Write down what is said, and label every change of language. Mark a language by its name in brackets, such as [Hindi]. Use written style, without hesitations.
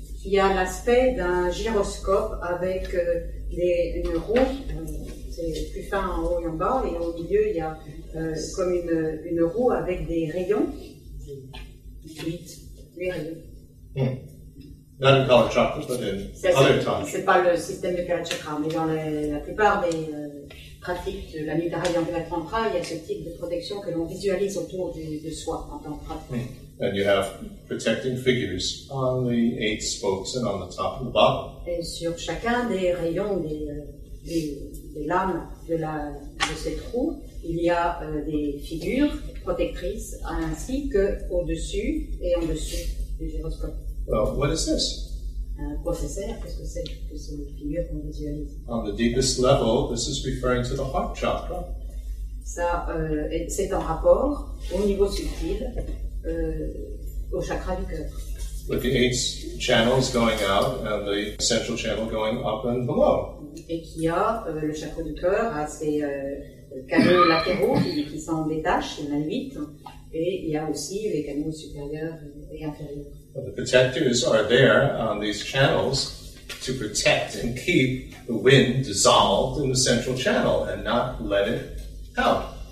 [French] Il y a l'aspect d'un gyroscope avec une roue, c'est plus fin en haut et en bas, et au milieu il y a comme une roue avec des rayons, 8 rayons. [English] Not in Kalachakra, but in other times. [French] C'est pas le système de Kalachakra, mais dans la plupart des pratiques de la Nidra Yoga Tantra, il y a ce type de protection que l'on visualise autour de soi en tant que pratique. [English] And you have protecting figures on the 8 spokes and on the top and the bottom. [French] Et sur chacun des rayons des lames de cette roue, il y a des figures protectrices ainsi que au-dessus et en dessous du gyroscope. [English] Well, what is this? [French] Un processeur, qu'est-ce que c'est que ces figures qu'on visualise? [English] On the deepest level, this is referring to the heart chakra. [French] Ça, c'est en rapport au niveau subtil au chakra du cœur. [English] With the 8 channels going out and the central channel going up and below. [French] Et qui a le chakra du cœur à ses canaux latéraux qui s'en détachent, il y en a 8, et il y a aussi les canaux supérieurs et inférieurs. [English] But the protectors are there on these channels to protect and keep the wind dissolved in the central channel and not let it out.